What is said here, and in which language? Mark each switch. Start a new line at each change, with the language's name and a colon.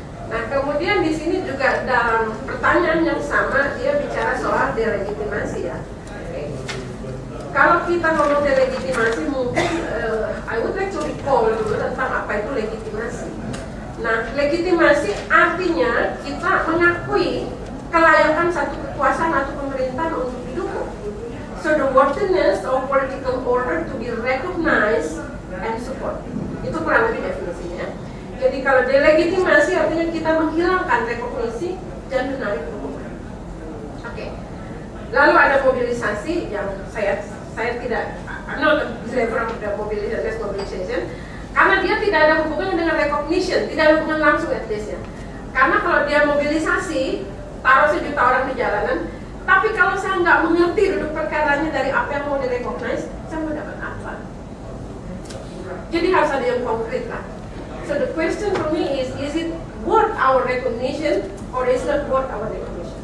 Indonesian: Nah, kemudian di sini juga dalam pertanyaan yang sama, dia bicara soal delegitimasi ya. Okay. Kalau kita ngomong delegitimasi, mungkin
English: I would like to recall
Indonesian: dulu tentang apa itu legitimasi. Nah, legitimasi artinya kita mengakui kelayakan satu kekuasaan atau pemerintahan untuk didukung.
English: So, the worthiness of political order to be recognized and supported.
Indonesian: Itu kurang lebih definisinya. Jadi kalau delegitimasi artinya kita menghilangkan rekognisi dan menarik dukungan. Oke. Okay. Lalu ada mobilisasi yang saya tidak mobilisation karena dia tidak ada hubungannya dengan recognition, tidak ada hubungan langsung
English: at least
Indonesian: ya. Karena kalau dia mobilisasi taruh sejuta orang di jalanan, tapi kalau saya nggak mengerti duduk perkaranya dari apa yang mau direkognis, saya mau dapat apa? Jadi harus ada yang konkret lah.
English: So the question for me is it worth our recognition or is not worth our recognition?